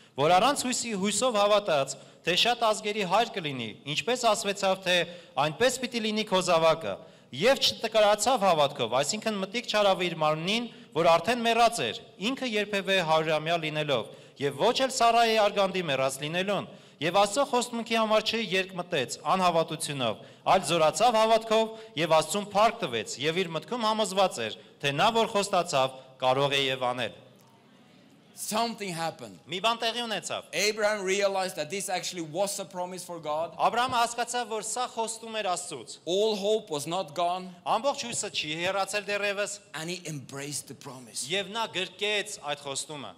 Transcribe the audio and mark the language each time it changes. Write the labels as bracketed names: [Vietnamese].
[Armenian] որ առանց հույսի հույսով հավատաց, թե շատ ազգերի հայր կլինի, ինչպես ասվեցավ, թե այնպես պիտի լինի քո զավակը, եւ չտկարացավ հավատքով, այսինքն մտիկ չարավ իր մարմնին, որ արդեն մեռած էր, ինքը երբևէ հարյուրամյա լինելով, եւ ոչ էլ Սարայի արգանդի մեռած լինելուն, եւ Աստծո խոստումքի համար չէ երկ մտեց անհավատությունով, այլ զորացավ հավատքով, եւ Աստծուն փառք տվեց, եւ իր մտքում համոզված էր, թե նա որ խոստացավ, կարող է եւ անել. [English] Something happened. [Armenian] Մի բան տեղի ունեցավ. [English] Abraham realized that this actually was a promise for God. [Armenian] Աբրահամը հասկացավ, որ սա խոստում էր Աստծուց. [English] All hope was not gone. [Armenian] Ամբողջ հույսը չի հեռացել դեռևս. [English] And he embraced the promise. [Armenian] Եվ նա գրկեց այդ խոստումը.